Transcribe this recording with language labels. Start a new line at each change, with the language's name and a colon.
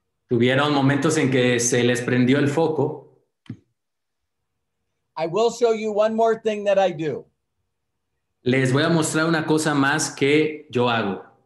Spanish: Tuvieron momentos en que se les prendió el foco.
English: I will show you one more thing that I do.
Spanish: Les voy a mostrar una cosa más que yo hago.